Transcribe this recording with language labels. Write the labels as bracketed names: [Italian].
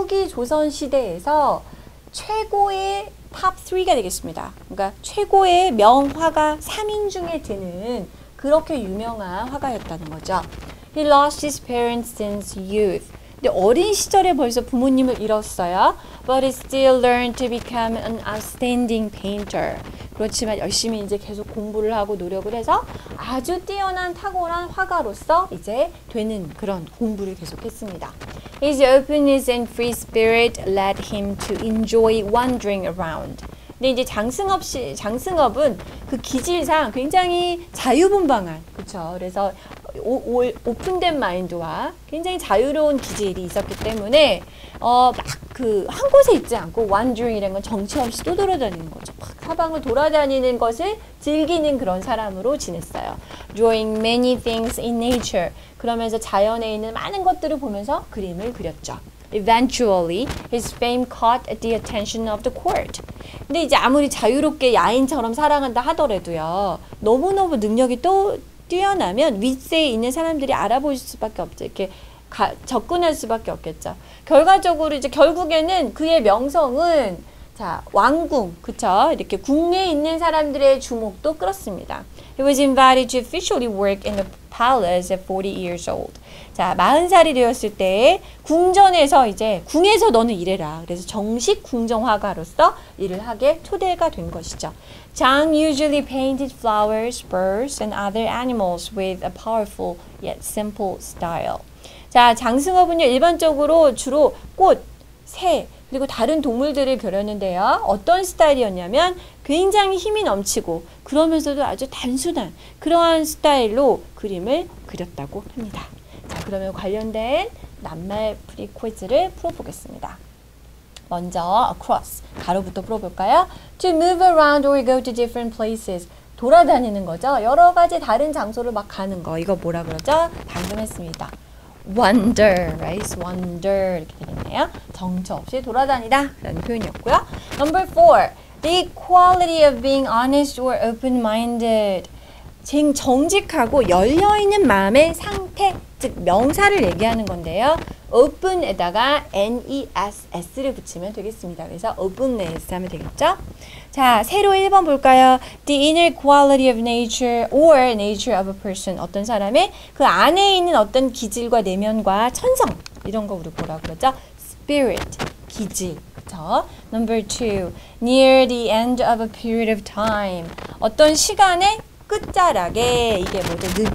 [Korean] 후기 조선시대에서 최고의 탑3가 되겠습니다. 그러니까 최고의 명화가 3인 중에 드는 그렇게 유명한 화가였다는 거죠. [English] He lost his parents since youth. [Korean] 근데 어린 시절에 벌써 부모님을 잃었어요. [English] But he still learned to become an outstanding painter. [Korean] 그렇지만 열심히 이제 계속 공부를 하고 노력을 해서 아주 뛰어난 탁월한 화가로서 이제 되는 그런 공부를 계속했습니다. [English] His openness and free spirit led him to enjoy wandering around. [Korean] 근데 이제 장승업은 그 기질상 굉장히 자유분방한, 그렇죠? 그래서 오픈된 마인드와 굉장히 자유로운 기질이 있었기 때문에 막 그 한 곳에 있지 않고 wandering이라는 건 정처 없이 떠돌아다니는 거죠. 막 사방을 돌아다니는 것을 즐기는 그런 사람으로 지냈어요. [English] Drawing many things in nature. [Korean] 그러면서 자연에 있는 많은 것들을 보면서 그림을 그렸죠. [English] Eventually, his fame caught the attention of the court. [Korean] 근데 이제 아무리 자유롭게 야인처럼 사랑한다 하더라도요, 너무너무 능력이 또 뛰어나면 윗세에 있는 사람들이 알아볼 수밖에 없죠. 이렇게 접근할 수밖에 없겠죠. 결과적으로 이제 결국에는 그의 명성은 자 왕궁, 그렇죠? 이렇게 궁에 있는 사람들의 주목도 끌었습니다. [English] He was invited to officially work in the palace at 40 years old. [Korean] 자, 40살이 되었을 때 궁전에서 이제 궁에서 너는 일해라. 그래서 정식 궁정화가로서 일을 하게 초대가 된 것이죠. [English] Jang usually painted flowers, birds, and other animals with a powerful yet simple style. [Korean] 자, 장승업은요, 일반적으로 주로 꽃, 새, 그리고 다른 동물들을 그렸는데요. 어떤 스타일이었냐면 굉장히 힘이 넘치고 그러면서도 아주 단순한 그러한 스타일로 그림을 그렸다고 합니다. 자, 그러면 관련된 낱말 프리퀴즈를 풀어보겠습니다. 먼저 [English] across, [Korean] 가로부터 풀어볼까요? [English] To move around or go to different places. [Korean] 돌아다니는 거죠. 여러 가지 다른 장소를 막 가는 거. 이거 뭐라 그러죠? 방금 했습니다. [English] Wander, right? [Korean] Wander 이렇게 되겠네요. 정처 없이 돌아다니다 라는 표현이었고요. [English] Number four, the quality of being honest or open-minded. [Korean] 정직하고 열려있는 마음의 상태, 즉 명사를 얘기하는 건데요. Open에다가 N-E-S-S를 붙이면 되겠습니다. 그래서 openness 하면 되겠죠. 자, 새로 1번 볼까요? [English] The inner quality of nature or nature of a person. [Korean] 어떤 사람의 그 안에 있는 어떤 기질과 내면과 천성. 이런 거 우리 보라고 그러죠? Spirit, 기질. 그쵸? [English] Number two, near the end of a period of time. [Korean] 어떤 시간에 끝자락에 이게 뭐죠?